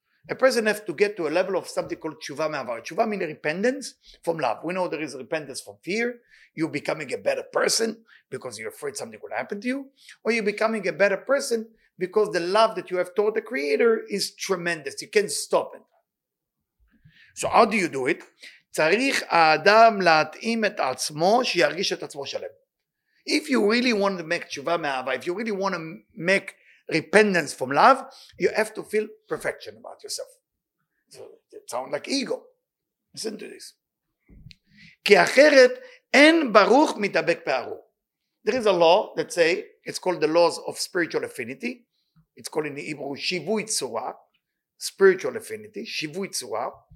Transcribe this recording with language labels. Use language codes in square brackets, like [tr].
[en] A person has to get to a level of something called [he] תשובה מאהבה. [en] תשובה means repentance from love. We know there is repentance from fear. You're becoming a better person because you're afraid something will happen to you. Or you're becoming a better person because the love that you have toward the creator is tremendous. You can't stop it. So how do you do it? [he] צריך האדם להתאים את עצמו שירגיש את עצמו שלם. [en] If you really want to make [he] תשובה מאהבה, [en] if you really want to make repentance from love, you have to feel perfection about yourself. So it sounds like ego. Listen to this. [he] כי אחרת אין ברוך מתאבק בארור. [en] There is a law that say, it's called the laws of spiritual affinity. It's called in the Hebrew [he] שיווי צורה. [en] Spiritual affinity, [he] שיווי צורה.